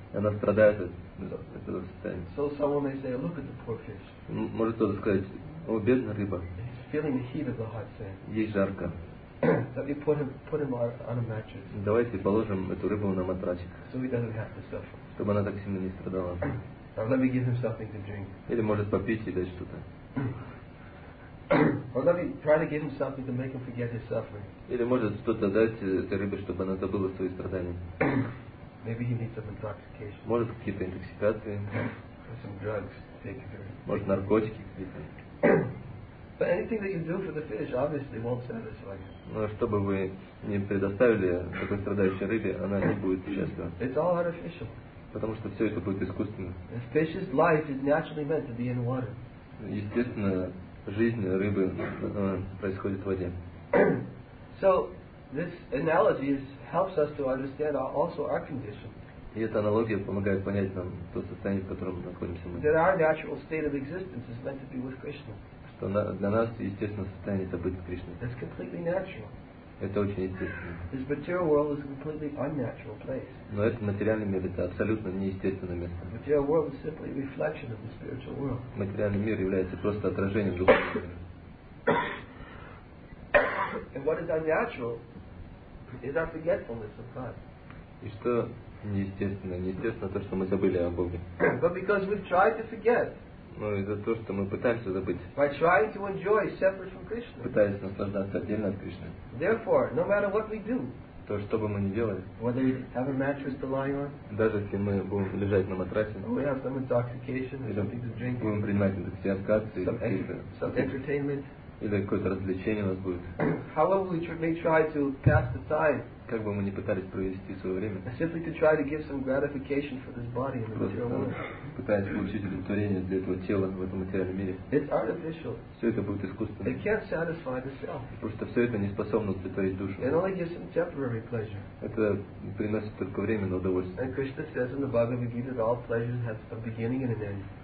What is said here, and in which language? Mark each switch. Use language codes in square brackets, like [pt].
[ru] Она страдает от этого состояния. [en] So someone may say, look at the poor fish. [ru] Может кто-то сказать, о, бедная рыба. [en] He's feeling the heat of the hot sand. [ru] Ей жарко. [en] Let me put him on a mattress. [ru] Давайте положим эту рыбу на матрасик. [en] So he doesn't have to suffer. [ru] Чтобы она так сильно не страдала. [en] Or let me give him something to drink. [ru] Или может попить и дать что-то. [en] Or let me try to give him something to make him forget his suffering. [ru] Или может что-то дать этой рыбе, чтобы она забыла свои страдания. [en] Maybe he needs some intoxication. [ru] Может какие-то интоксикации. [en] Or some drugs to take her. [ru] Может наркотики какие-то. [en] But anything that you do for the fish obviously won't satisfy you. [ru] Но что бы вы ни предоставили такой страдающей рыбе, она не будет счастлива. [en] It's all artificial. [ru] Потому что все это будет искусственно. [en] A fish's life is naturally meant to be in water. [ru] Естественно, жизнь рыбы происходит в воде. [en] So this analogy helps us to understand also our condition. [ru] И эта аналогия помогает понять нам то состояние, в котором мы находимся. [en] That our natural state of existence is meant to be with Krishna. [ru] То для нас естественно состояние — это быть с Кришной. [en] That's completely natural. [ru] Это очень естественно. [en] This material world is a completely unnatural place. [ru] Но этот материальный мир — это абсолютно неестественное место. [en] The material world is simply a reflection of the spiritual world. [ru] Материальный мир является просто отражением духовного мира. [en] And what is unnatural is our forgetfulness of God. [ru] И что Неестественно, неестественно то, что мы забыли о Боге. [en] But because we've tried to forget. [ru] Ну, из-за того, что мы пытаемся забыть. [en] By trying to enjoy separate from Krishna. [ru] Пытаясь наслаждаться отдельно от Кришны. [en] Therefore, no matter what we do. [ru] То, что бы мы ни делали. [en] Whether we have a mattress to lie on. [ru] Даже если мы будем лежать на матрасе. [en] Or we have some intoxication or something to drink. [ru] Будем принимать интоксикации. [en] Some entertainment. [ru] Или какое-то развлечение у нас будет. [en] However we may try to pass the time. [ru] Как бы мы ни пытались провести свое время. [en] Simply to try to give some gratification for this body in the material world. [ru] Пытаясь получить удовлетворение для этого тела в этом материальном мире. [en] It's artificial. [ru] Все это будет искусственно. [en] It can't satisfy the self. [ru] Просто все это не способно удовлетворить душу. [en] It only gives some temporary pleasure. [ru] Это приносит только временное удовольствие. [en] And Krishna says in the Bhagavad Gita, all pleasures have a beginning and an end.